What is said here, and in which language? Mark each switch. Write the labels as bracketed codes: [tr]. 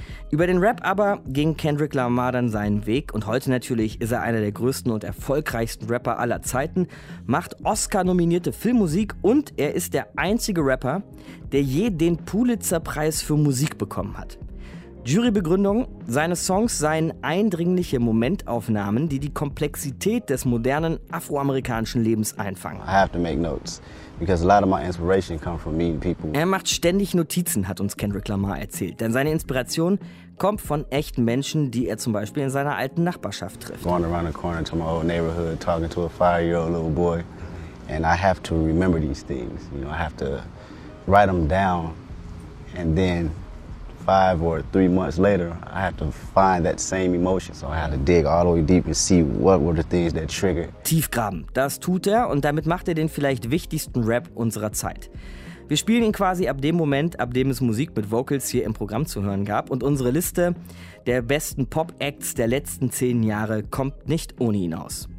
[de] Über den Rap aber ging Kendrick Lamar dann seinen Weg und heute natürlich ist er einer der größten und erfolgreichsten Rapper aller Zeiten, macht Oscar-nominierte Filmmusik und er ist der einzige Rapper, der je den Pulitzer-Preis für Musik bekommen hat. Jurybegründung: Seine Songs seien eindringliche Momentaufnahmen, die die Komplexität des modernen afroamerikanischen Lebens einfangen. [en] I have to make notes, because a lot of my inspiration come from meeting people. [de] Er macht ständig Notizen, hat uns Kendrick Lamar erzählt, denn seine Inspiration kommt von echten Menschen, die er zum Beispiel in seiner alten Nachbarschaft trifft. [en] Going around the corner to my old neighborhood, talking to a five-year-old little boy, and I have to remember these things. You know, I have to write them down, and then 5 or 3 months later, I had to find that same emotion. So I had to dig all the way deep and see what were the things that triggered. [de] Tiefgraben, das tut er und damit macht er den vielleicht wichtigsten Rap unserer Zeit. Wir spielen ihn quasi ab dem Moment, ab dem es Musik mit Vocals hier im Programm zu hören gab. Und unsere Liste der besten Pop-Acts der letzten 10 Jahre kommt nicht ohne ihn aus.